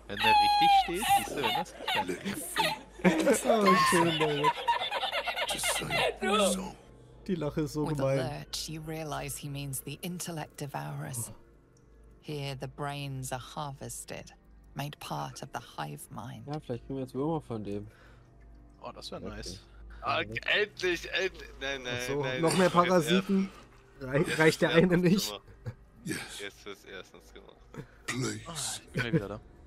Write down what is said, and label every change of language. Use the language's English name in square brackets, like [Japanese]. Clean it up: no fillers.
[German] Wenn der richtig steht, siehst du, wenn das geht. Oh, schön, Leute. Die Lache ist so gemein. [English] With a lurch, you realize he means the intellect of ours. Here, the brains are harvested. Made part of the hive mind. [German] Ja, vielleicht kriegen wir jetzt Würmer von dem. Oh, das wäre okay. Nice. Ach, endlich! Nein. So, nein, noch mehr Parasiten? Reicht der eine nicht? Yes. Jetzt wird's erstens gemacht. [English] Please. [German] Ich bin gleich wieder da.